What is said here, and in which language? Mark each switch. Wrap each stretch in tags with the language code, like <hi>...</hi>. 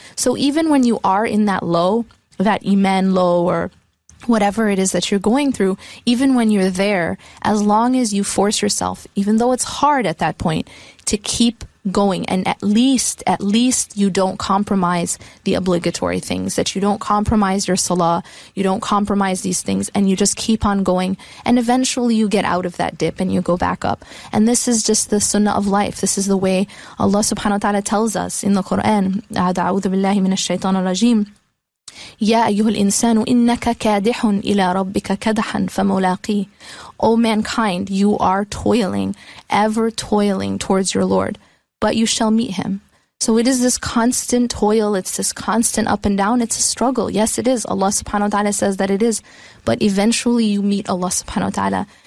<en>So even when you are in that low, that iman low, or whatever it is that you're going through, even when you're there, as long as you force yourself, even though it's hard at that point, to keep going, and at least you don't compromise the obligatory things, that you don't compromise your salah, you don't compromise these things, and you just keep on going, and eventually you get out of that dip and you go back up. And this is just the sunnah of life. This is the way Allah subhanahu wa ta'ala tells us in the Quran,</en> <ar>أَعُوذُ بِاللَّهِ مِنَ الشَّيْطَانِ الرَّجِيمِ يَا أَيُّهُ الْإِنسَانُ إِنَّكَ كَادِحٌ إِلَىٰ رَبِّكَ كَدْحًا فَمُلَاقِي.</ar> <en>O mankind, you are toiling, ever toiling towards your Lord, but you shall meet Him. So it is this constant toil, it's this constant up and down, it's a struggle. Yes, it is. Allah subhanahu wa ta'ala says that it is. But eventually you meet Allah subhanahu wa ta'ala.</en>